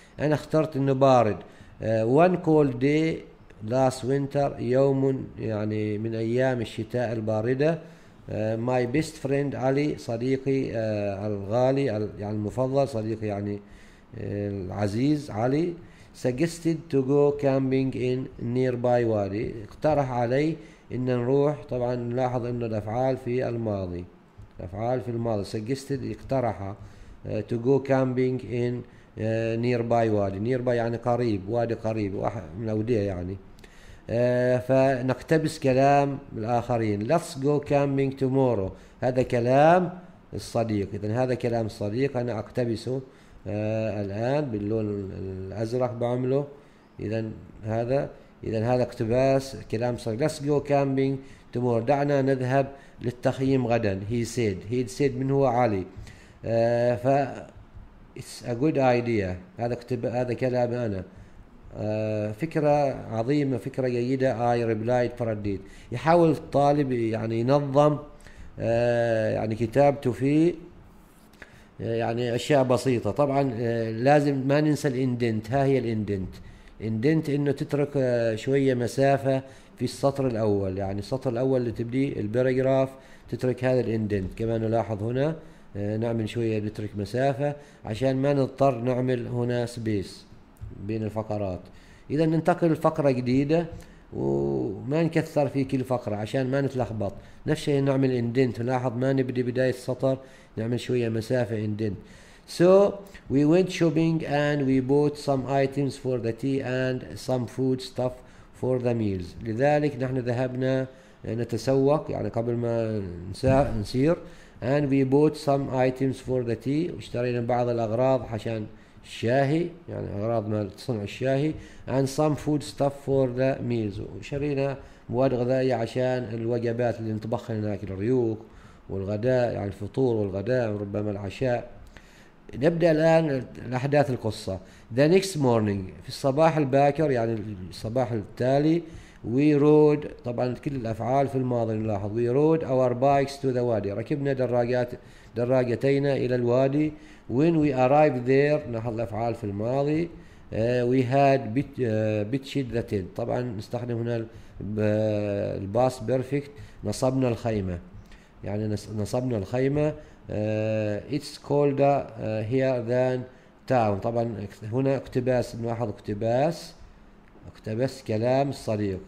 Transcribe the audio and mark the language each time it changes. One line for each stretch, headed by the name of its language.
Arabic: انا اخترت انه بارد.
English: One cold day last winter،
Arabic: يوم يعني من أيام الشتاء الباردة.
English: My best friend
Arabic: علي، صديقي الغالي يعني المفضل، صديقي يعني العزيز علي.
English: suggested to go camping in nearby وادي،
Arabic: اقترح علي إن نروح. طبعا نلاحظ إنه الأفعال في الماضي، الأفعال في الماضي. suggested اقترح
English: to go camping in nearby
Arabic: وادي، nearby يعني قريب، وادي قريب من أودية يعني. فنقتبس كلام الآخرين،
English: let's go camping tomorrow،
Arabic: هذا كلام الصديق. إذن هذا كلام الصديق أنا أقتبسه الآن باللون الأزرق بعمله. إذن هذا، إذن هذا اقتباس كلام صديق.
English: let's go camping tomorrow،
Arabic: دعنا نذهب للتخييم غدا.
English: he said، he said
Arabic: من هو
English: علي. ف It's a good idea.
Arabic: هذا كلام أنا. فكرة عظيمة، فكرة جيدة.
English: I replied for a deed.
Arabic: يحاول الطالب يعني ينظم يعني كتابته في يعني أشياء بسيطة. طبعا لازم ما ننسى الإندنت. ها هي الإندنت. إندنت إنه تترك شوية مسافة في السطر الأول، يعني السطر الأول اللي تبدي الباراجراف تترك هذا الإندنت كما نلاحظ هنا. نعمل شوية نترك مسافة عشان ما نضطر نعمل هنا سبيس بين الفقرات. إذا ننتقل لفقرة جديدة وما نكثر في كل فقرة عشان ما نتلخبط. نفس الشيء نعمل اندنت، نلاحظ ما نبدي بداية السطر، نعمل شوية مسافة اندنت.
English: So we went shopping and we bought some items for the tea and some food stuff for the meals.
Arabic: لذلك نحن ذهبنا نتسوق يعني قبل ما نسير.
English: And we bought some items for the tea.
Arabic: اشترينا بعض الأغراض عشان الشاهي، يعني أغراض مال صنع الشاهي.
English: And some food stuff for the meals.
Arabic: وشرينا مواد غذائية عشان الوجبات اللي نطبخها هناك، الريوق والغداء يعني الفطور والغداء وربما العشاء. نبدأ الآن الأحداث القصة.
English: The next morning،
Arabic: في الصباح الباكر يعني الصباح التالي.
English: We rode،
Arabic: طبعا كل الأفعال في الماضي نلاحظ.
English: We rode our bikes to the wadi،
Arabic: ركبنا دراجتينا إلى الوادي.
English: When we arrived there،
Arabic: نلاحظ الأفعال في الماضي.
English: We had pitched the tent،
Arabic: طبعا نستخدم هنا الباس بيرفكت. نصبنا الخيمة، يعني نصبنا الخيمة.
English: It's colder here than town،
Arabic: طبعا هنا اقتباس، نلاحظ اقتباس، اقتبس كلام الصديق.